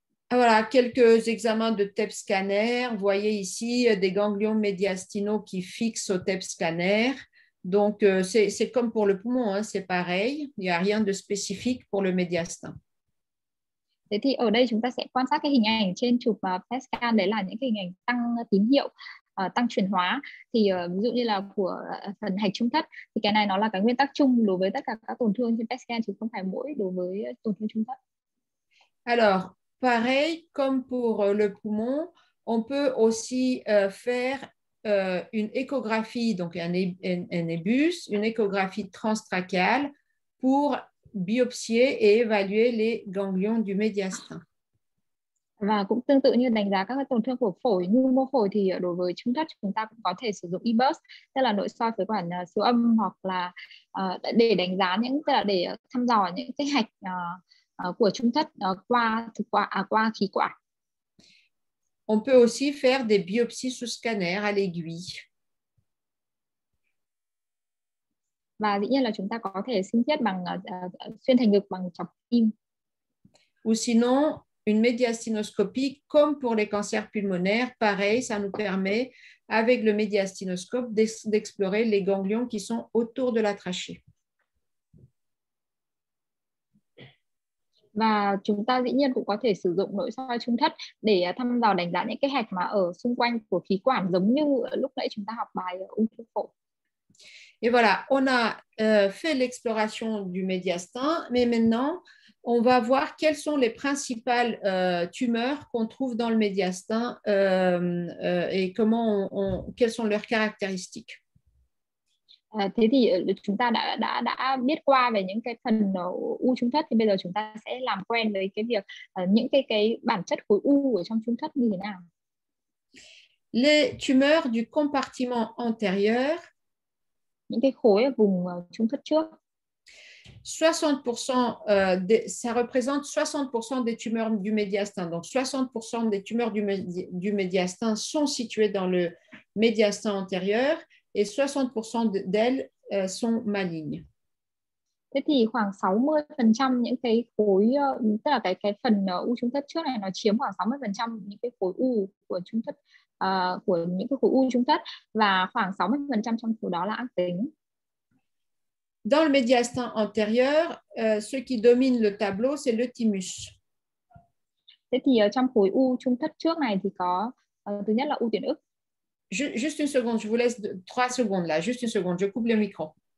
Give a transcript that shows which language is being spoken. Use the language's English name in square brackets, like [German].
[French] Voilà, quelques examens de TEP scanner. Vous voyez ici des ganglions médiastinaux qui fixent au TEP scanner. Donc c'est comme pour le poumon, hein, c'est pareil. Il n'y a rien de spécifique pour le médiastin. [Vietnamese] Thế thì ở đây chúng ta sẽ quan sát cái hình ảnh trên chụp PET scan, đấy là những cái hình ảnh tăng tín hiệu, tăng chuyển hóa. Thì ví dụ như là của phần hạch trung thất, thì cái này nó là cái nguyên tắc chung đối với tất cả các tổn thương trên PET scan, chứ không phải mỗi đối với tổn thương trung thất. [French] Alors, pareil, comme pour le poumon, on peut aussi faire une échographie, donc un ébus, une échographie transtrachéale pour biopsier et évaluer les ganglions du médiastin. [Vietnamese] Và cũng tương tự như đánh giá các tổn thương của phổi, nhu mô phổi thì đối với trung thất chúng ta cũng có thể sử dụng EBUS, tức là nội soi phế quản siêu âm hoặc là để đánh giá những, tức là để thăm dò những cái hạch của trung thất qua thực quản, qua khí quản. [French] On peut aussi faire des biopsies sous scanner à l'aiguille. [Vietnamese] Và dĩ nhiên là chúng ta có thể sinh thiết bằng xuyên thành ngực bằng chọc kim. [French] Ou sinon, une médiastinoscopie comme pour les cancers pulmonaires, pareil, ça nous permet avec le médiastinoscope d'explorer les ganglions qui sont autour de la trachée. [Vietnamese] Và chúng ta dĩ nhiên cũng có thể sử dụng nội soi trung thất để thăm dò đánh giá những cái hạch mà ở xung quanh của khí quản giống như lúc nãy chúng ta học bài ung thư phổi. [French] Et voilà, on a fait l'exploration du médiastin, mais maintenant, on va voir quelles sont les principales tumeurs qu'on trouve dans le médiastin et comment quelles sont leurs caractéristiques. [Vietnamese] Thế thì chúng ta đã biết qua về những cái phần u trung thất, thì bây giờ chúng ta sẽ làm quen với cái việc những cái bản chất khối u ở trong trung thất như thế nào. [French] Les tumeurs du compartiment antérieur. [Vietnamese] Những cái khối ở vùng trung thất trước. [French] 60% ça représente 60% des tumeurs du médiastin. Donc 60% des tumeurs du médiastin sont situées dans le médiastin antérieur et 60% d'elles sont malignes. [Vietnamese] Thế thì khoảng 60% những cái khối tức là cái phần u trung thất trước này nó chiếm khoảng 60% những cái khối u của trung thất. Của những cái khối u trung thất và khoảng 60% trong số đó là ác tính. [French] Dans le médiastin antérieur, ce qui domine le tableau, c'est le thymus. [Vietnamese] Thế thì trong khối u trung thất trước này thì có thứ nhất là u tuyến ức. [French] Juste une seconde, je vous laisse 3 secondes là, juste une seconde, je coupe le micro.